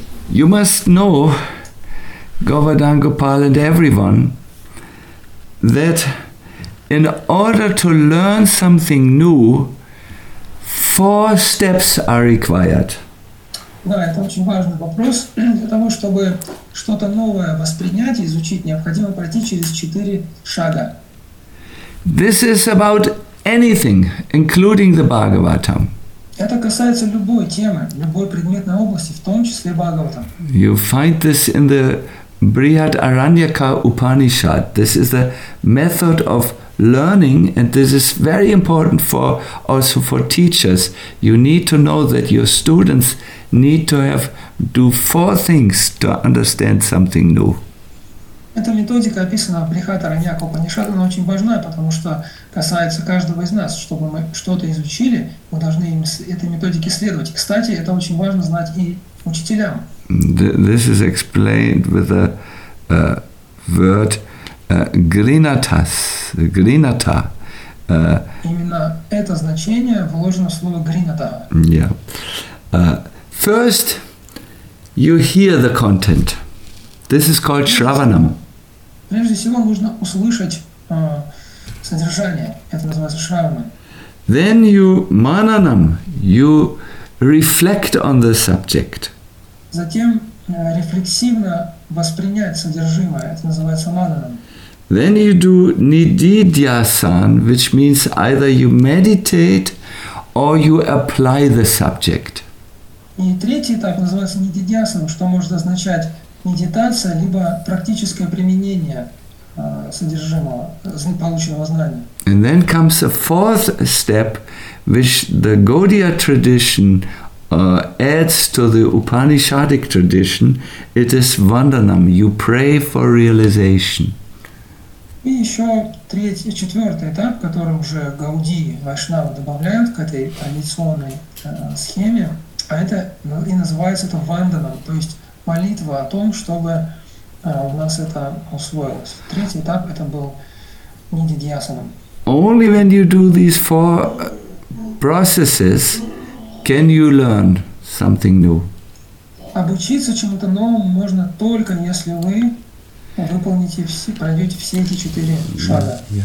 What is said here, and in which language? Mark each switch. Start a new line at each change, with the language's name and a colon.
English: You must know, Govardhan Gopal and everyone, that in order to learn something new, 4 steps are required.
Russian: Да, это очень важный вопрос. Для того, чтобы что-то новое воспринять и изучить, необходимо пройти через 4 шага.
English: This is about anything, including the Bhagavatam.
Russian: Это касается любой темы, любой предметной области, в том числе Бхагаватам.
English: You find this in the Brihadaranyaka Upanishad. This is the method of learning, and this is very important for also for teachers. You need to know that your students need to have do 4 things to understand something new.
Russian: Эта методика описана в Брихадараньяка Упанишад, она очень важна, потому что касается каждого из нас. Чтобы мы что-то изучили, мы должны этой методике следовать. Кстати, это очень важно знать и учителям.
English: This is explained with a word grinatas, grinata.
Russian: Именно это значение вложено в слово grinata.
English: Yeah. First, you hear the content. This is called shravanam.
Russian: Прежде всего нужно услышать содержание. Это называется шравана.
English: Then you mananam, you reflect on the subject.
Russian: Затем рефлексивно воспринять содержимое. Это называется мананам.
English: Then you do nididhyasan, which means either you meditate or you apply the subject.
Russian: И третий этап называется нididhyasan, что может означать медитация либо практическое применение содержимого, полученного знания.
English: And then comes a fourth step, which the Gaudiya tradition adds to the Upanishadic tradition. It is vandanam. You pray for realization.
Russian: И еще третий, четвертый этап, которым уже Гауди Вайшнавы добавляют к этой традиционной схеме, а это и называется это ванданам, то есть молитва о том, чтобы у нас это усвоилось. Третий этап это был нидидьясанам.
English: Only when you do these 4 processes can you learn something new.
Russian: Обучиться чему-то новому можно только если вы выполните все, пройдете все эти 4 шага.